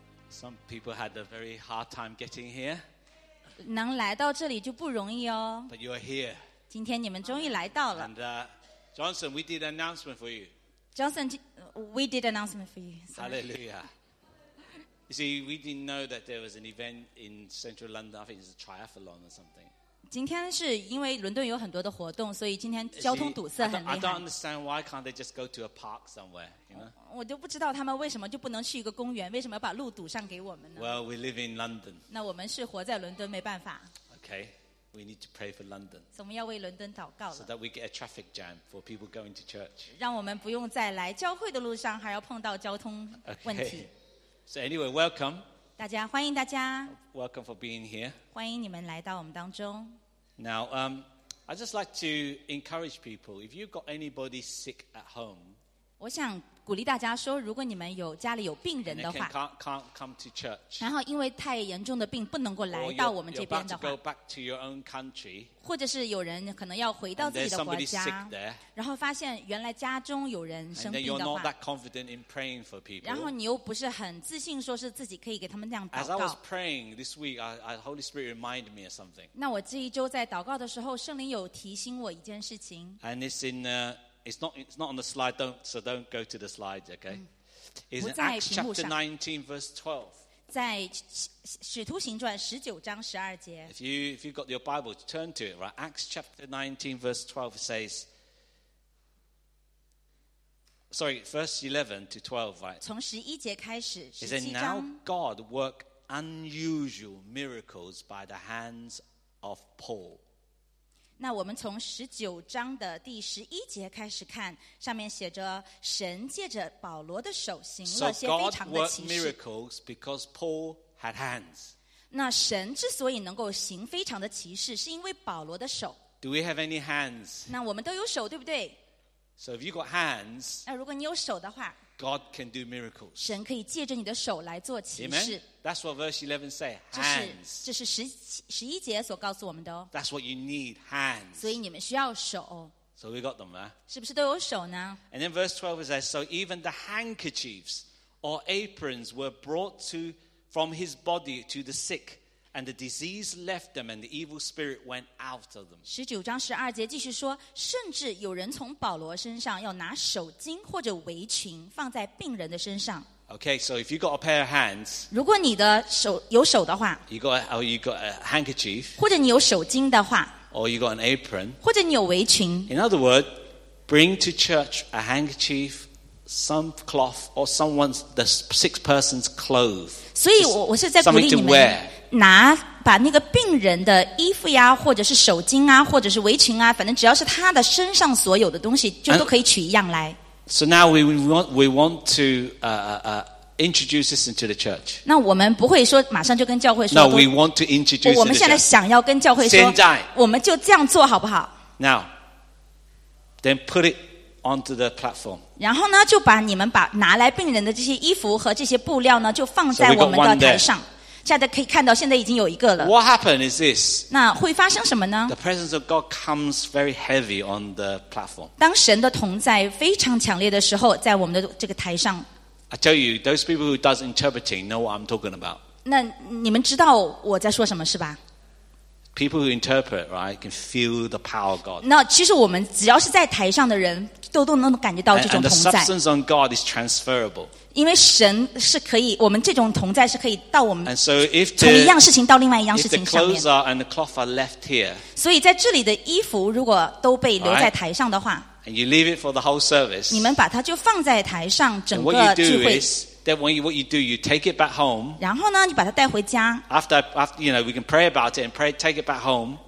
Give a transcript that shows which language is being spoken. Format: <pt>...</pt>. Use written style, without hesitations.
<en>Some people had a very hard time getting here.</en> <zh>能来到这里就不容易哦。</zh> <en>But you are here.</en> <zh>今天你们终于来到了。</zh> <en>And Johnson, we did an announcement for you. Johnson, we did an announcement for you.、 Sorry. Hallelujah. You see, we didn't know that there was an event in central London. I think it's a triathlon or something.</en> <zh>今天是因为伦敦有很多的活动，所以今天交通堵塞很厉害。</zh> <en>I don't understand why can't they just go to a park somewhere, you know?</en> <zh>我就不知道他们为什么就不能去一个公园，为什么要把路堵上给我们呢？</zh> <en>Well, we live in London.</en> <zh>那我们是活在伦敦，没办法。</zh> <en>Okay, we need to pray for London.</en> <zh>所以我们要为伦敦祷告了。</zh> <en>So that we get a traffic jam for people going to church.</en> <zh>让我们不用再来教会的路上还要碰到交通问题。</zh> <en>So anyway, welcome.</en> <zh>大家欢迎大家。</zh> <en>Welcome for being here.</en> <zh>欢迎你们来到我们当中。</zh> <en>Now, I just like to encourage people. If you've got anybody sick at home,</en> <zh>我想鼓励大家说，如果你们有家里有病人的话，</zh> <en>can't come to church.</en> <zh>然后因为太严重的病不能够来到我们这边的话，</zh> <en>you're about to go back to your own country.</en> <zh>或者是有人可能要回到自己的国家，</zh> <en>and there's somebody sick there.</en> <zh>然后发现原来家中有人生病的话，</zh> <en>and you're not that confident in praying for people.</en> <zh>然后你又不是很自信说是自己可以给他们这样祷告。</zh> <en>As I was praying this week, the Holy Spirit reminded me of something.</en> <zh>那我这一周在祷告的时候，圣灵有提醒我一件事情。</zh> <en>And it's in the It's not on the slide, don't go to the slides, okay? It's in Acts chapter 19, verse 12.</en> <zh>在使徒行传十九章十二节。</zh> <en>If you've got your Bible, turn to it, right? Acts chapter 19, verse 12 says, sorry, verse 11 to 12, right?</en> <zh>从十一节开始，十七章。</zh> <en>It says, now God worked unusual miracles by the hands of Paul.</en> <zh>那我们从十九章的第十一节开始看，上面写着神借着保罗的手行了些非常的奇事。</zh> <en>So God worked miracles because Paul had hands.</en> <zh>那神之所以能够行非常的奇事，是因为保罗的手。</zh> <en>Do we have any hands?</en> <zh>那我们都有手，对不对？</zh> <en>So if you got hands,</en> <zh>那如果你有手的话，</zh> <en>God can do miracles.</en> <zh>神可以借着你的手来做奇事。</zh> <en>Amen? That's what verse 11 says. Hands.</en> <zh>这是十一节所告诉我们的哦。</zh> <en>That's what you need, hands.</en> <zh>所以你们需要手。</zh> <en>So we got them, huh?</en> <zh>是不是都有手呢？</zh> <en>And then verse 12 says, so even the handkerchiefs or aprons were brought from his body to the sick, and the disease left them, and the evil spirit went out of them.</en> <zh>十九章十二节继续说，甚至有人从保罗身上要拿手巾或者围裙放在病人的身上。</zh> <en>Okay, so if you got a pair of hands,</en> <zh>如果你的手有手的话，</zh> <en>you got a handkerchief,</en> <zh>或者你有手巾的话，</zh> <en>or you got an apron,</en> <zh>或者你有围裙。</zh> <en>In other words, bring to church a handkerchief, some cloth, or someone's the sick person's clothes.</en> <zh>所以我是在鼓励你们拿把那个病人的衣服呀，或者是手巾啊，或者是围裙啊，反正只要是他的身上所有的东西，就都可以取一样来。</zh> <en>So now we want to introduce this into the church.</en> <zh>那我们不会说马上就跟教会说。</zh> <en>No, we want to introduce the church.</en> <zh>我们现在想要跟教会说。现在。我们就这样做好不好？</zh> <en>Now, then put it onto the platform.</en> <zh>然后呢，就把你们把拿来病人的这些衣服和这些布料呢，就放在我们的台上。现在可以看到，现在已经有一个了。</zh> <en>What happened is this.</en> <zh>那会发生什么呢？</zh> <en>The presence of God comes very heavy on the platform.</en> <zh>当神的同在非常强烈的时候，在我们的这个台上。</zh> <en>I tell you, those people who does interpreting know what I'm talking about.</en> <zh>那你们知道我在说什么是吧？</zh> <en>People who interpret, right, can feel the power of God.</en> <zh>那其实我们只要是在台上的人，都能感觉到这种同在。</zh> <en>And the substance on God is transferable.</en> <zh>因为神是可以，我们这种同在是可以到我们</zh> <en>so if the,</en> <zh>从一样事情到另外一样事情上面。</zh> <en>Here,</en> <zh>所以在这里的衣服如果都被留在台上的话，</zh> <en>right? And you leave it for the whole service,</en> <zh>你们把它就放在台上整个聚会。</zh> <en>And what you do is, then what you do, you take it back home.</en> <zh>然后呢，你把它带回家。</zh> <en>After you know, we can pray about it and pray, take it back home.</en>